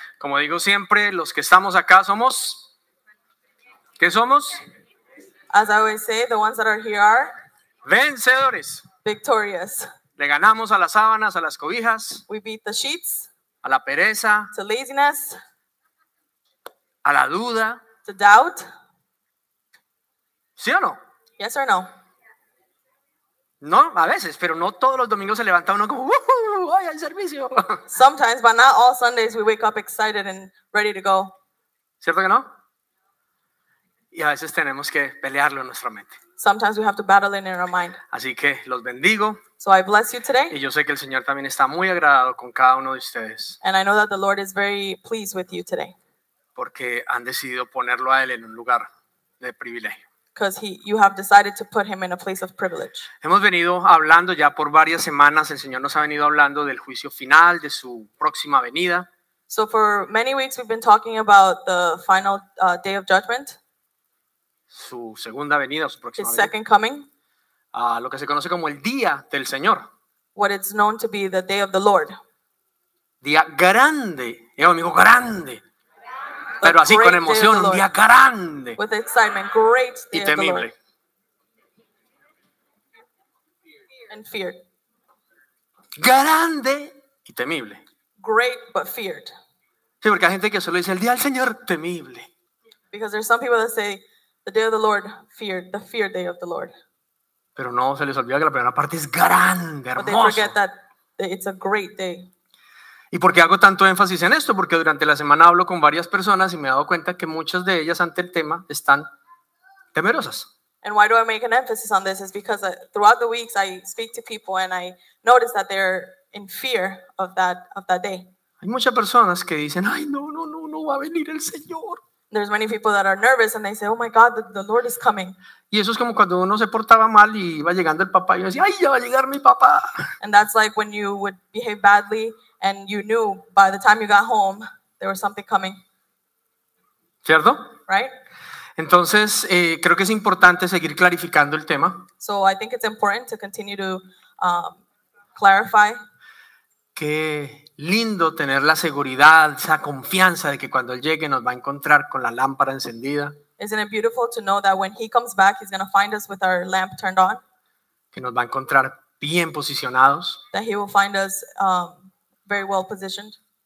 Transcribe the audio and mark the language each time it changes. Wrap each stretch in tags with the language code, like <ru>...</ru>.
<es>Como digo siempre, los que estamos acá somos... ¿Qué somos?</es> <en>As I always say, the ones that are here are...</en> <es>¡Vencedores!</es> <en>Victorious.</en> <es>Le ganamos a las sábanas, a las cobijas.</es> <en>We beat the sheets.</en> <es>A la pereza.</es> <en>To laziness.</en> <es>A la duda.</es> <en>To doubt.</en> <es>¿Sí o no?</es> <en>Yes or no.</en> <es>No, a veces, pero no todos los domingos se levanta uno como, ¡hoy al servicio!</es> <en>Sometimes, but not all Sundays, we wake up excited and ready to go.</en> <es>¿Cierto que no? Y a veces tenemos que pelearlo en nuestra mente.</es> <en>Sometimes we have to battle it in our mind.</en> <es>Así que los bendigo.</es> <en>So I bless you today.</en> <es>Y yo sé que el Señor también está muy agradado con cada uno de ustedes.</es> <en>And I know that the Lord is very pleased with you today.</en> <es>Porque han decidido ponerlo a él en un lugar de privilegio.</es> <en>Because you have decided to put him in a place of privilege.</en> <es>Hemos venido hablando ya por varias semanas, el Señor nos ha venido hablando del juicio final, de su próxima venida.</es> <en>So for many weeks we've been talking about the final day of judgment.</en> <es>Su segunda venida, su próxima venida.</es> <en>His second coming.</en> <es>Lo que se conoce como el día del Señor.</es> <en>What it's known to be the day of the Lord.</en> <es>Día grande. Yo digo grande. Pero así con emoción, un día grande.</es> <en>With excitement, great day</en> <es>y temible.</es> <en>Of the Lord. And feared.</en> <es>Grande y temible.</es> <en>Great but feared.</en> <es>Sí, porque hay gente que solo dice el día del Señor, temible.</es> <en>Because there's some people that say the day of the Lord, feared, the feared day of the Lord.</en> <es>Pero no, se les olvida que la primera parte es grande, hermoso.</es> <en>But they forget that it's a great day.</en> <es>¿Y por qué hago tanto énfasis en esto? Porque durante la semana hablo con varias personas y me he dado cuenta que muchas de ellas ante el tema están temerosas.</es> <en>And why do I make an emphasis on this? It's because throughout the weeks I speak to people and I notice that they're in fear of that day.</en> <es>Hay muchas personas que dicen, ay, no va a venir el Señor.</es> <en>There's many people that are nervous and they say, oh my God, the Lord is coming.</en> <es>Y eso es como cuando uno se portaba mal y iba llegando el papá y decía, ay, ya va a llegar mi papá.</es> <en>And that's like when you would behave badly and you knew by the time you got home, there was something coming.</en> <es>¿Cierto?</es> <en>Right?</en> <es>Entonces, creo que es importante seguir clarificando el tema.</es> <en>So I think it's important to continue to clarify.</en> <es>Que... lindo tener la seguridad, esa confianza de que cuando él llegue nos va a encontrar con la lámpara encendida.</es> <en>Isn't it beautiful to know that when he comes back, he's going to find us with our lamp turned on?</en> <es>Que nos va a encontrar bien posicionados.</es> <en>That he will find us very well positioned.</en>